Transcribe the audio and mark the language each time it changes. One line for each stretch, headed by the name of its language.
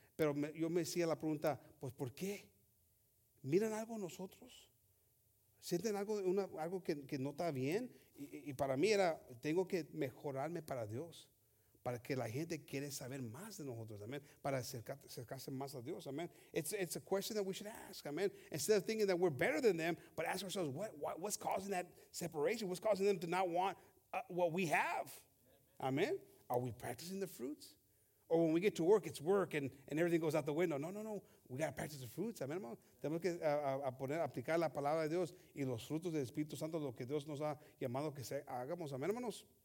Spanish: Pero yo me hacía la pregunta, pues, ¿por qué? ¿Miran algo en nosotros? ¿Sienten algo que no está bien? Y para mí era, tengo que mejorarme para Dios, para que la gente quiera saber más de nosotros, amén, para acercarse más a Dios, amén.
English: It's a question that we should ask, amén. Instead of thinking that we're better than them, but ask ourselves, what's causing that separation? What's causing them to not want what we have? Amén. Are we practicing the fruits? Or when we get to work, it's work and everything goes out the window. No. We got to practice the fruits, amen, hermano.
Spanish: Tenemos que aplicar la palabra de Dios y los frutos del Espíritu Santo, lo que Dios nos ha llamado que hagamos, amen, hermanos.